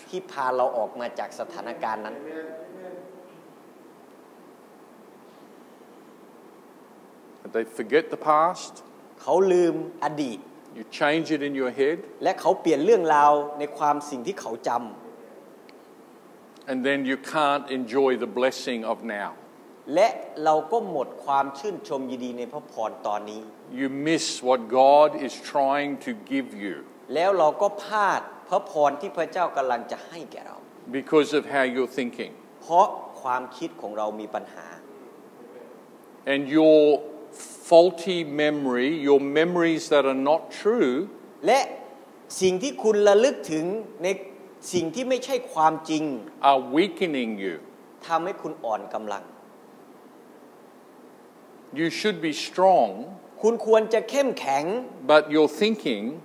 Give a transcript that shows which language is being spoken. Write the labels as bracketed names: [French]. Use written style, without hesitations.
[Thai] ที่พาเราออกมาจากสถานการณ์นั้น [English] And they forget the past [Thai] เขาลืมอดีต [English] you change it in your head [Thai] และเขาเปลี่ยนเรื่องราวในความสิ่งที่เขาจำ [English] And then you can't enjoy the blessing of now [Thai] และเราก็หมดความชื่นชมยินดีในพระพรตอนนี้ [English] You miss what God is trying to give you [Thai] แล้วเราก็พลาดพระพรที่พระเจ้ากำลังจะให้แก่เรา [English] Because of how you're thinking [Thai] เพราะความคิดของเรามีปัญหา [English] And your faulty memory your memories that are not true [Thai] และสิ่งที่คุณระลึกถึงในสิ่งที่ไม่ใช่ความจริง [English] are weakening you [Thai] ทำให้คุณอ่อนกำลัง [English] You should be strong. [Thai] คุณควรจะเข้มแข็ง [English] But your thinking.